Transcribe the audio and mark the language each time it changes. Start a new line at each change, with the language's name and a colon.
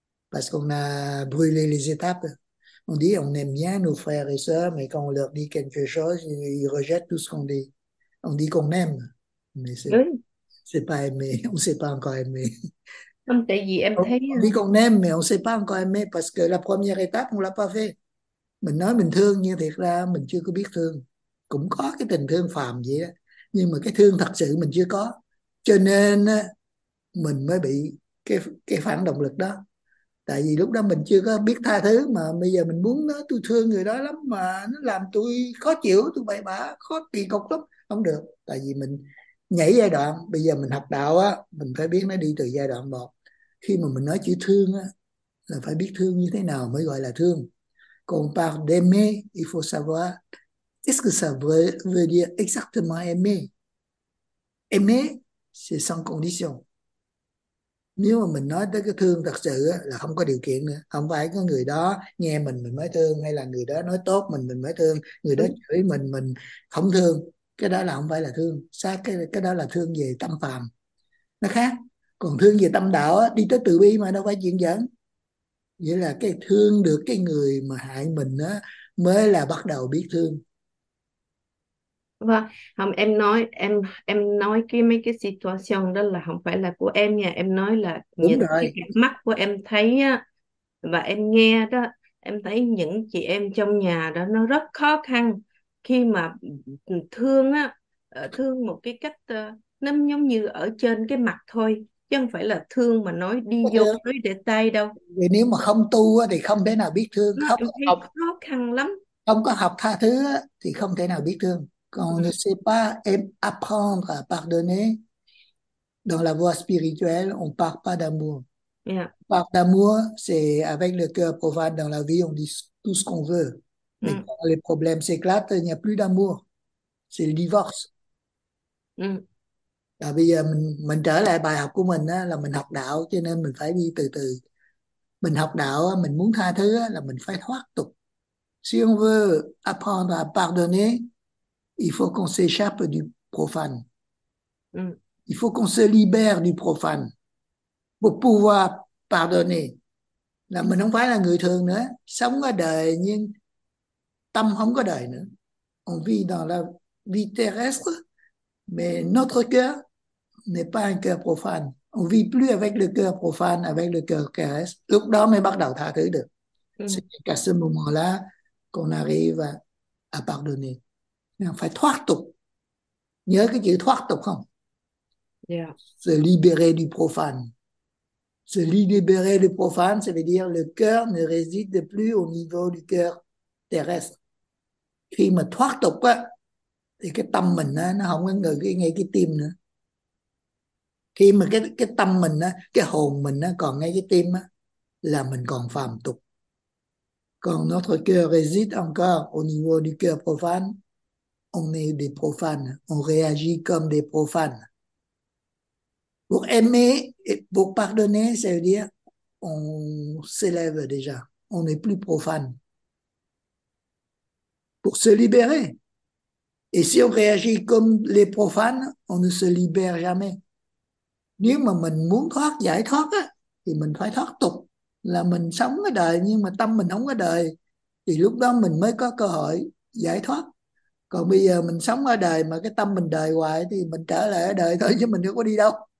French: parce qu'on a brûlé les étapes. On dit, on aime bien nos frères et sœurs, mais quand on leur dit quelque chose, ils rejettent tout ce qu'on dit. On dit qu'on aime, mais Oui. c'est pas aimer, on ne sait pas encore aimer.
Vietnamese: Không, tại vì em
French: On
Vietnamese: thấy
French: dit qu'on aime, mais on ne sait pas encore aimer parce que la première étape, on ne l'a pas fait.
Vietnamese: Mình nói mình thương, nhưng thiệt ra mình chưa có biết thương. Cũng có cái tình thương phàm vậy đó, nhưng mà cái thương thật sự mình chưa có. Cho nên mình mới bị cái phản động lực đó. Tại vì lúc đó mình chưa có biết tha thứ, mà bây giờ mình muốn nói tôi thương người đó lắm mà nó làm tôi khó chịu, tôi bậy bạ, khó kỳ cục lắm. Không được, tại vì mình nhảy giai đoạn. Bây giờ mình học đạo á, mình phải biết nó đi từ giai đoạn một. Khi mà mình nói chữ thương á, là phải biết thương như thế nào mới gọi là thương. Còn
French: par d'aimer, il faut savoir est-ce que ça veut dire exactement aimer. Aimer, c'est sans condition.
Vietnamese: Nếu mà mình nói tới cái thương thật sự á, là không có điều kiện nữa. Không phải có người đó nghe mình mới thương, hay là người đó nói tốt mình mới thương, người đó chửi mình không thương. Cái đó là không phải là thương. Xa cái đó là thương về tâm phàm, nó khác. Còn thương về tâm đạo á, đi tới từ bi mà, đâu phải chuyện giỡn. Nghĩa là cái thương được cái người mà hại mình á, mới là bắt đầu biết thương. Và không, em nói cái mấy cái situation đó là không phải là của em nha, em nói là Đúng những cái mắt của em thấy á và em nghe đó, em thấy những chị em trong nhà đó nó rất khó khăn khi mà thương á, thương một cái cách nó giống như ở trên cái mặt thôi chứ không phải là thương mà nói đi rồi. vô nói để tay đâu, Vì nếu mà không tu thì không thể nào biết thương, nó không em thấy học, khó khăn lắm. không có học tha thứ thì không thể nào biết thương. Còn
French: ne sais pas aimer, apprendre à pardonner. Dans la voie spirituelle, on ne parle pas d'amour. Parle d'amour, c'est avec le cœur profane dans la vie, on dit tout ce qu'on veut. Mais quand les problèmes s'éclatent, il n'y a plus d'amour. C'est le divorce.
Vietnamese: Là bây giờ mình trở lại bài học của mình á, là mình học đạo, cho nên mình phải đi từ từ. Mình học đạo, mình muốn tha thứ á, là mình phải thoát tục.
French: Si on veut apprendre à pardonner, il faut qu'on s'échappe du profane. Il faut qu'on se libère du profane pour pouvoir pardonner.
Vietnamese: Là mình không phải là người thường nữa, sống ở đời nhưng tâm không có đời nữa.
French: On vit dans la vie terrestre, mais notre cœur n'est pas un cœur profane. On vit plus avec le cœur profane, avec le cœur terrestre.
Vietnamese: Lúc đó mới bắt đầu tha thứ được.
French: C'est qu'à ce moment-là qu'on arrive à pardonner. On
Vietnamese: phải thoát tục. Nhớ cái chữ thoát tục không?
French: Se libérer du profane. Se libérer du profane, ça veut dire le cœur ne réside plus au niveau du cœur terrestre.
Vietnamese: Khi mà thoát tục á, thì cái tâm mình á, nó không có ngay cái tim nữa. Khi mà cái tâm mình á, cái hồn mình á, còn ngay cái tim á, là mình còn phàm tục. Còn
French: notre cœur réside encore au niveau du cœur profane, on est des profanes, on réagit comme des profanes. Pour aimer et pour pardonner, ça veut dire on s'élève déjà, on n'est plus profane. Pour se libérer. Et si on réagit comme les profanes, on ne se libère jamais.
Vietnamese: Nếu mà mình muốn thoát, giải thoát á, thì mình phải thoát tục. Là mình sống ở đời nhưng mà tâm mình không ở đời, thì lúc đó mình mới có cơ hội giải thoát. Còn bây giờ mình sống ở đời mà cái tâm mình đời hoài thì mình trở lại ở đời thôi chứ mình đâu có đi đâu.